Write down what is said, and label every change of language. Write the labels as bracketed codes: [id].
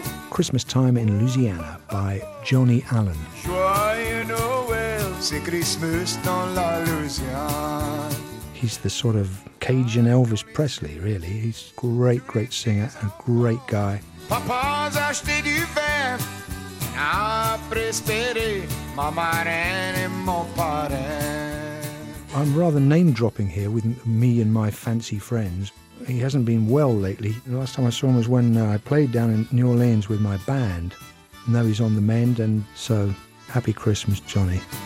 [en] Christmas Time in Louisiana by Johnny Allen. [fr] Joyeux Noël, c'est Christmas dans la Louisiane. [en] He's the sort of Cajun Elvis Presley, really. He's a great, great singer and a great guy. [fr] Papa's acheté du vin, a préspéré ma marraine et mon parraine. [en] I'm rather name-dropping here with me and my fancy friends. He hasn't been well lately. The last time I saw him was when I played down in New Orleans with my band. Now he's on the mend, and so happy Christmas, Johnny.